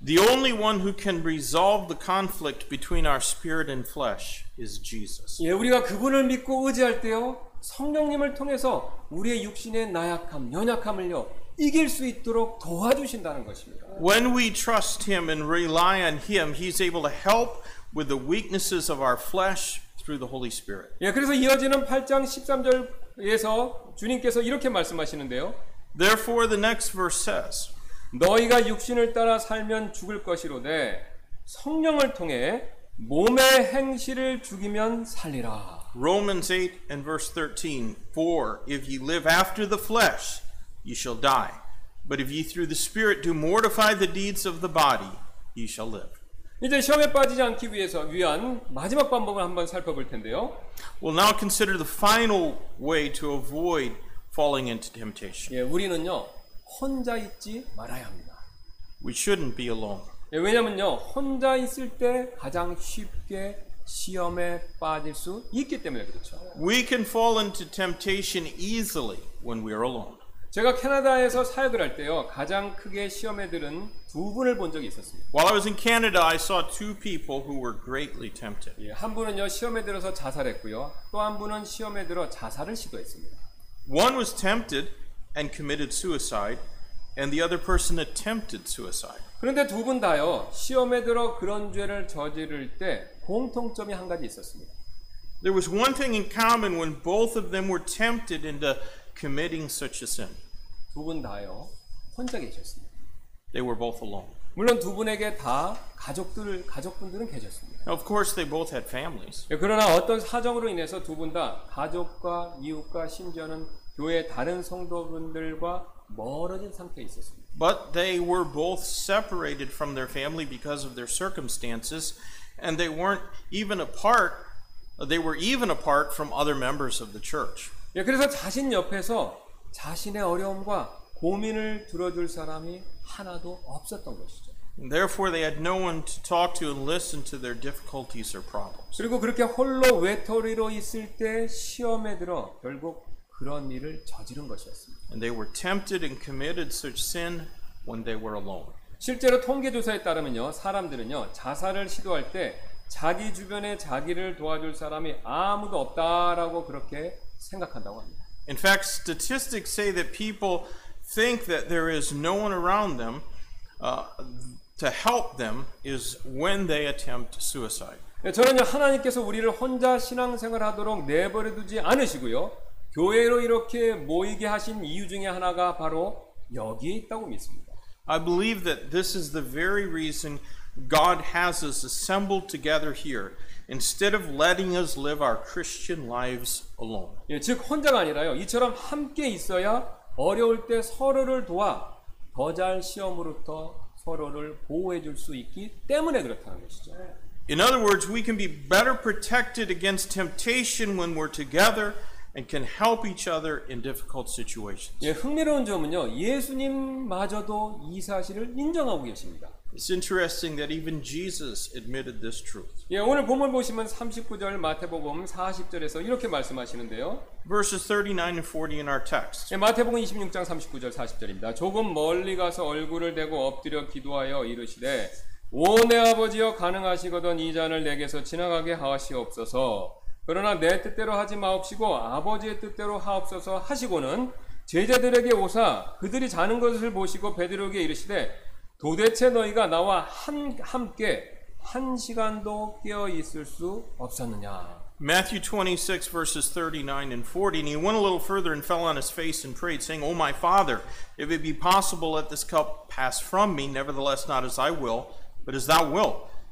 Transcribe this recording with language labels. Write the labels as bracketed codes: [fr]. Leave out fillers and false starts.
[en] The only one who can resolve the conflict between our spirit and flesh is Jesus. [ko] 예, 우리가 그분을 믿고 의지할 때요, 성령님을 통해서 우리의 육신의 나약함, 연약함을요, 이길 수 있도록 도와주신다는 것입니다. [en] When we trust him and rely on him, he's able to help with the weaknesses of our flesh through the Holy Spirit. [ko] 예, 그래서 이어지는 8장 13절에서 주님께서 이렇게 말씀하시는데요. [en] Therefore the next verse says, [ko] 너희가 육신을 따라 살면 죽을 것이로되 성령을 통해 몸의 행실을 죽이면 살리라. [en] Romans 8 and verse 13, for if ye live after the flesh, ye shall die. But if ye through the Spirit do mortify the deeds of the body, ye shall live. [ko] 이제 시험에 빠지지 않기 위해서 위한 마지막 방법을 한번 살펴볼 텐데요. [en] We'll now consider the final way to avoid falling into temptation. [ko] 예, 우리는요, 혼자 있지 말아야 합니다. [en] We shouldn't be alone. [ko] 예, 왜냐면요, 혼자 있을 때 가장 쉽게 시험에 빠질 수 있기 때문에 그렇죠. [en] We can fall into temptation easily when we are alone. [ko] 제가 캐나다에서 사역을 할 때요, 가장 크게 시험에 들은 두 분을 본 적이 있었습니다. [en] While I was in Canada, I saw two people who were greatly tempted. [ko] 예, 한 분은요, 시험에 들어서 자살했고요. 또 한 분은 시험에 들어 자살을 시도했습니다. [en] One was tempted and committed suicide, and the other person attempted suicide. [ko] 그런데 두 분 다요, 시험에 들어 그런 죄를 저지를 때 공통점이 한 가지 있었습니다. [en] There was one thing in common when both of them were tempted into committing such a sin. [ko] 두 분 다요, 혼자 계셨습니다. [en] They were both alone. [ko] 물론 두 분에게 다 가족분들은 계셨습니다. [en] Of course, they both had families. [ko] 그러나 어떤 사정으로 인해서 두 분 다 가족과 이웃과 심지어는 교회 다른 성도분들과 멀어진 상태에 있었습니다. [en] But they were both separated from their family because of their circumstances, and they weren't even apart. They were even apart from other members of the church. [ko] 그래서 자신 옆에서 자신의 어려움과 고민을 들어줄 사람이 하나도 없었던 것이죠. [en] Therefore, they had no one to talk to and listen to their difficulties or problems. [ko] 그리고 그렇게 홀로 외톨이로 있을 때 시험에 들어 결국 그런 일을 저지른 것이었습니다. [en] And they were tempted and committed such sin when they were alone. [ko] 실제로 통계 조사에 따르면요, 사람들은요 자살을 시도할 때 자기 주변에 자기를 도와줄 사람이 아무도 없다라고 그렇게 생각한다고 합니다. [en] In fact, statistics say that people think that there is no one around them to help them is when they attempt suicide. [ko] 저는요, 하나님께서 우리를 혼자 신앙생활하도록 내버려 두지 않으시고요, 교회로 이렇게 모이게 하신 이유 중에 하나가 바로 여기에 있다고 믿습니다. [en] I believe that this is the very reason God has us assembled together here instead of letting us live our Christian lives alone. [ko] 예, 즉 혼자가 아니라요, 이처럼 함께 있어야 어려울 때 서로를 도와 더 잘 시험으로부터 서로를 보호해 줄 수 있기 때문에 그렇다는 것이죠. [en] In other words, we can be better protected against temptation when we're together and can help each other in difficult situations. [ko] 예, 흥미로운 점은요, 예수님마저도 이 사실을 인정하고 계십니다. [en] It's interesting that even Jesus admitted this truth. [ko] 예, 오늘 본문 보시면 39절 마태복음 40절에서 이렇게 말씀하시는데요. [en] Verses 39 and 40 in our text. [ko] 예, 마태복음 26장 39절 40절입니다. 조금 멀리 가서 얼굴을 대고 엎드려 기도하여 이르시되 오 내 아버지여 가능하시거든 이 잔을 내게서 지나가게 하시옵소서. 그러나 내 뜻대로 하지 마옵시고 아버지의 뜻대로 하옵소서 하시고는 제자들에게 오사 그들이 자는 것을 보시고 베드로에게 이르시되 도대체 너희가 나와 함께 한 시간도 깨어 있을 수 없었느냐. [en] Matthew 26, verses 39 and 40. And he went a little further and fell on his face and prayed, saying, O my Father, if it be possible, let this cup pass from me. Nevertheless, not as I will, but as thou wilt.